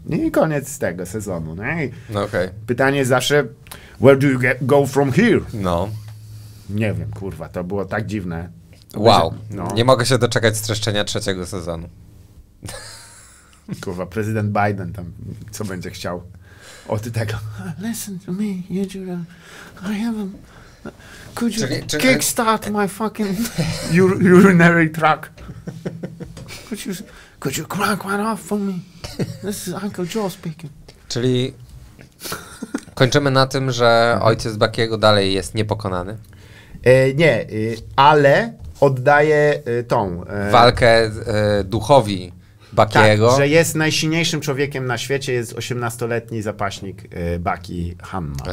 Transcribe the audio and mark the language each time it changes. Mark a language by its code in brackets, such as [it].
[pl] I koniec z tego sezonu, nie? No, okay. Pytanie zawsze, [en] where do you go from here? [pl] No. Nie wiem, kurwa, to było tak dziwne. Wow, no. Nie mogę się doczekać streszczenia trzeciego sezonu. Kurwa, prezydent Biden tam, co będzie chciał. Od tego, [en] listen to me, Yujiro, I have a, could you kickstart my fucking urinary tract? Could you crack one off for me? This is Uncle Joe speaking. [pl] Czyli kończymy na tym, że ojciec Bakiego dalej jest niepokonany? Nie, ale oddaje tą... walkę duchowi. Bakiego. Tak, że jest najsilniejszym człowiekiem na świecie, jest 18-letni zapaśnik Baki Hanma.